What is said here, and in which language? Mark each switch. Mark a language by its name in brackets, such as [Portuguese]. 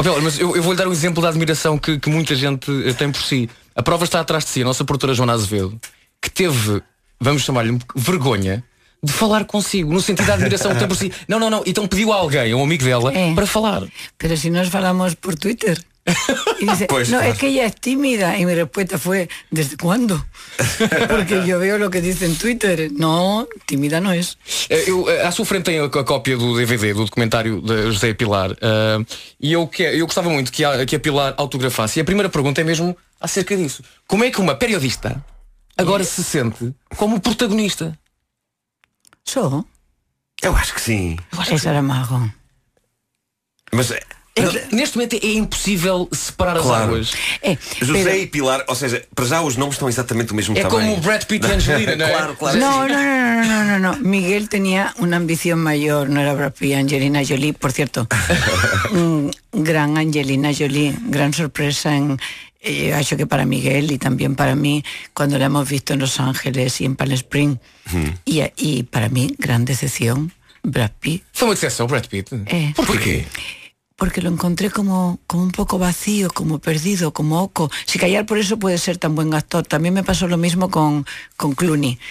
[Portuguese] Okay, mas eu vou-lhe dar um exemplo da admiração que muita gente tem por si. A prova está atrás de si. A nossa produtora Joana Azevedo, que teve, vamos chamar-lhe, vergonha, de falar consigo, no sentido da admiração que tem por si. Não, então pediu a alguém, a um amigo dela, para falar. [Spanish] Pero si nos falamos por Twitter. E dice, pois, no, claro. Es que ella es tímida. Y mi respuesta fue, ¿desde cuándo? Porque yo veo lo que dice en Twitter. No, tímida no es. [Portuguese] A sua frente tem a cópia do DVD, do documentário de José Pilar. E eu gostava muito que a Pilar autografasse. E a primeira pergunta é mesmo acerca disso. Como é que uma periodista agora se sente como protagonista? Só? Eu acho que sim. Esse era mago. Mas neste momento é impossível separar, claro, as águas. José, pero... e Pilar, ou seja, para já os nomes estão exatamente do mesmo tamanho. É como o Brad Pitt e Angelina, não é? Claro, não. Miguel tinha uma ambição maior, não era Brad Pitt e Angelina Jolie, por certo. Gran Angelina Jolie, gran sorpresa em... acho que para Miguel e também para mim, quando [Spanish] la hemos visto en [Portuguese] Los Ángeles e em Palm Springs. E para mim, grande decepção, Brad Pitt. Foi uma decepção, Brad Pitt. Por quê? [Spanish] Porque lo encontré como un poco vacío, como perdido, como oco. Si callar por eso puede ser tan buen actor. También me pasó lo mismo con Clooney.